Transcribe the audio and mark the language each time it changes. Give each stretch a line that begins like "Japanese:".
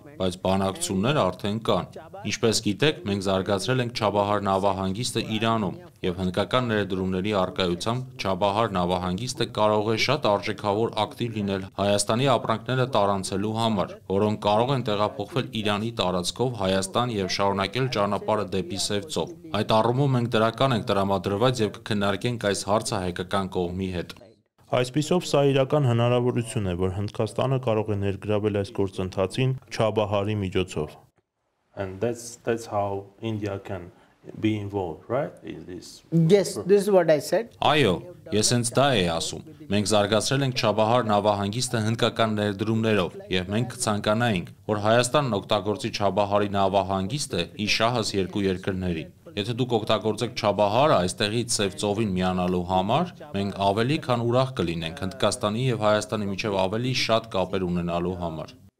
Armenian: բայց բանակցություններ արդեն կան։ Ինչպես գիտեք, մենք զարգացրել ենք Չաբահար նավահանգիստը Իրանում, եւ հնդկական ներդրումների արկայությամբ Չաբահար նավահանգիստը կարող է շատ արժեքավոր ակտիվ լինել Հայաստանի ապրանքները տարածելու համար, որոնք կարող են տեղափոխվել Իրանի տարածքով Հայաստան եւ շարունակել ճանապարհը դեպի Սևծով։ Այդ առումով մենք դրական ենք դրամադրված եւ կքննարկենք այս հարցը հայկական կողմի հետ։ Այսպիսով սա իրական հնարավորություն է, որ Հնդկաստանը կարող է ներգրավել այս գործընթացին Չաբահարի միջոցով։
English: And that's how India can be involved, right? In this. Yes, this is what I said.
Armenian: Այո, ես հենց դա էի ասում։ Մենք զարգացրել ենք Չաբահար նավահանգիստը հնդկական ներդրումներով, եւ մենք կցանկանայինք, որ Հայաստանն օգտագործի Չաբահարի նավահանգիստը իշահաս երկու երկրների։ Եթե դուք օգտագործեք Չաբահարը այստեղից Սևծովին միանալու համար, մենք ավելի քան ուրախ կլինենք Հնդկաստանի եւ Հայաստանի միջեւ ավելի շատ կապեր ունենալու համար։